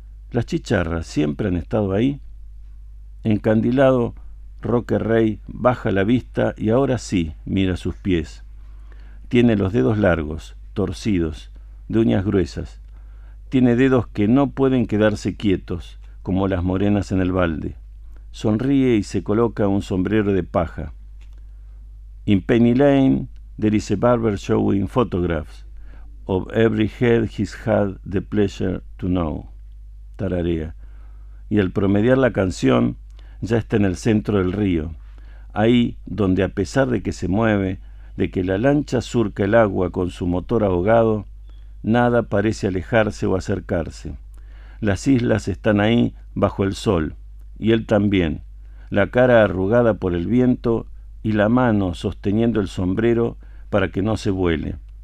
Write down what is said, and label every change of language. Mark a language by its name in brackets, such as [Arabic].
[Spanish] ¿Las chicharras siempre han estado ahí? Encandilado, Roque Rey baja la vista y ahora sí mira sus pies. Tiene los dedos largos, torcidos, de uñas gruesas. Tiene dedos que no pueden quedarse quietos, como las morenas en el balde. Sonríe y se coloca un sombrero de paja. [English] In Penny Lane, there is a barber showing photographs of every head he's had the pleasure to know. [Spanish] Tararea. Y al promediar la canción, ya está en el centro del río, ahí donde a pesar de que se mueve, de que la lancha surca el agua con su motor ahogado, nada parece alejarse o acercarse. Las islas están ahí bajo el sol, y él también, la cara arrugada por el viento y la mano sosteniendo el sombrero para que no se vuele.